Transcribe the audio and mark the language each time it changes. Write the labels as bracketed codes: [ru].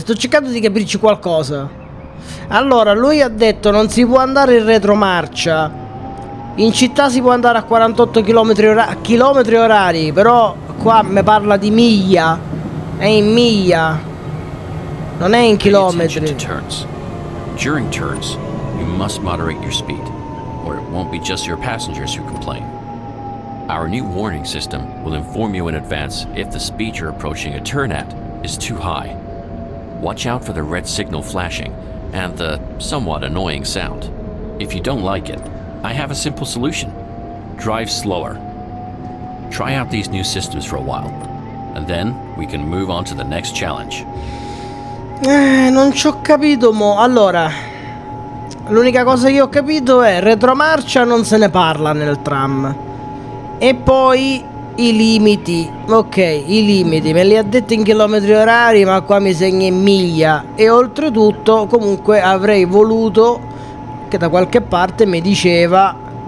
[it] Sto cercando di capirci qualcosa. Allora, lui ha detto non si può andare in retromarcia. In città si può andare a 48 km/h, però qua mi parla di miglia. È in miglia. Non è in chilometri. [en] Turns. During turns, you must moderate your speed, or it won't be just your passengers who complain. Our new warning system will inform you in advance if the speed you're approaching a turn at is too high. Watch out for the red signal flashing. And the somewhat annoying sound. If you don't like it, I have a simple solution. Drive slower. Try out these new systems for a while, and then we can move on to the next challenge. [it] Non ci ho capito mo. Allora, l'unica cosa che ho capito è retromarcia non se ne parla nel tram. E poi i limiti. Ok, i limiti me li ha detti in chilometri orari, ma qua mi segna in miglia. E oltretutto, comunque, avrei voluto che da qualche parte mi diceva